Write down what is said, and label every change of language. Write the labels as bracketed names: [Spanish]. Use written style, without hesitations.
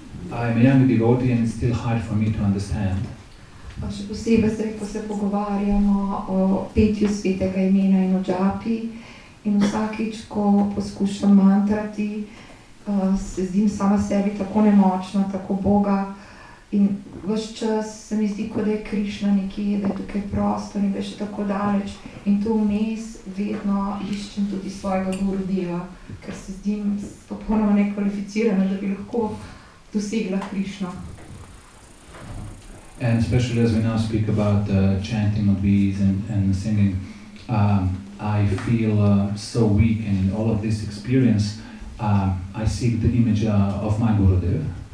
[English] I'm a young devotee and it's still hard for me to understand. [Slovenian] Še posebej zdaj, ko se pogovarjamo o petju svetega imena in o džapi in vsakič, ko poskušam mantrati, se zdim sama sebi tako nemočna, tako Boga in ves čas se mi zdi, kot da je Krišna nekje, da je tukaj prostor in da je še tako daleč in tu vmes vedno iščem tudi svojega guru diva, ker se zdim popolnoma nekvalificirana, da bi lahko dosegla Krišno. [English] And especially as we now speak about chanting of bees and singing, I feel so weak and in all of this experience, I seek the image of my Gurudev.